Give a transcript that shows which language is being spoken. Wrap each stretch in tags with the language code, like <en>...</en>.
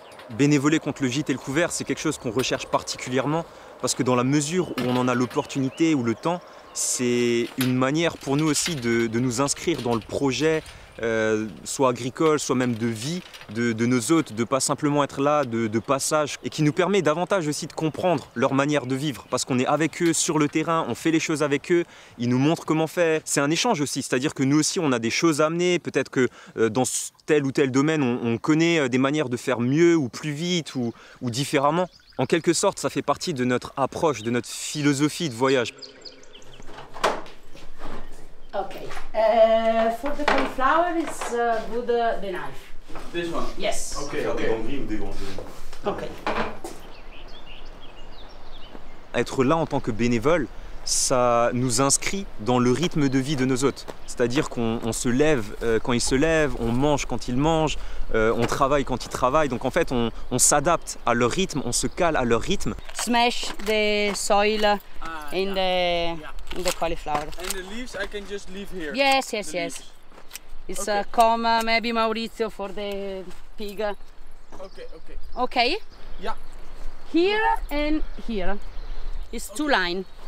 <fr>Bénévoler contre le gîte et le couvert, c'est quelque chose qu'on recherche particulièrement parce que dans la mesure où on en a l'opportunité ou le temps, c'est une manière pour nous aussi de nous inscrire dans le projet, soit agricole, soit même de vie de nos hôtes, de pas simplement être là, de passage, et qui nous permet davantage aussi de comprendre leur manière de vivre parce qu'on est avec eux sur le terrain, on fait les choses avec eux, ils nous montrent comment faire. C'est un échange aussi, c'est-à-dire que nous aussi on a des choses à amener, peut-être que dans tel ou tel domaine on connaît des manières de faire mieux ou plus vite ou différemment. En quelque sorte, ça fait partie de notre approche, de notre philosophie de voyage.</fr> <en>Okay, for the cauliflower, it's good the knife. This one? Yes. Okay, okay. Okay.</en> <fr>Être là en tant que bénévole, ça nous inscrit dans le rythme de vie de nos hôtes. C'est-à-dire qu'on se lève quand ils se lèvent, on mange quand ils mangent, on travaille quand ils travaillent. Donc en fait, on s'adapte à leur rythme, on se cale à leur rythme.</fr> <en>Smash the soil in the, in the cauliflower. And the leaves, I can just leave here? Yes, yes, the yes. Leaves. It's okay. Come maybe Maurizio for the pig. Okay, okay. Okay? Yeah. Here and here. It's okay. Two lines.</en>